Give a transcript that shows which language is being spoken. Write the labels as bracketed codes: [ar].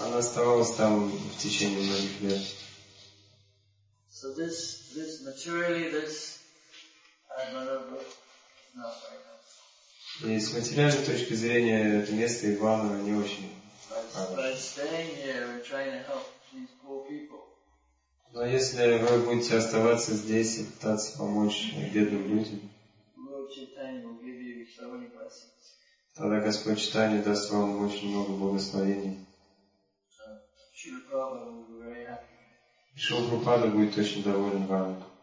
[ru] Она оставалась там в течение многих лет. [en] So this materially this Ivanova is not very nice. [ru] И с материальной точки зрения это место Ивановы не очень. [en] By staying here and trying to help these poor people. [ru] Но если вы будете оставаться здесь и пытаться помочь бедным людям. [en] Lord Chaitanya will give you so many blessings. [ru] Тогда Господь Читание даст вам очень много благословений. Шрила Прабхупада будет очень доволен вами.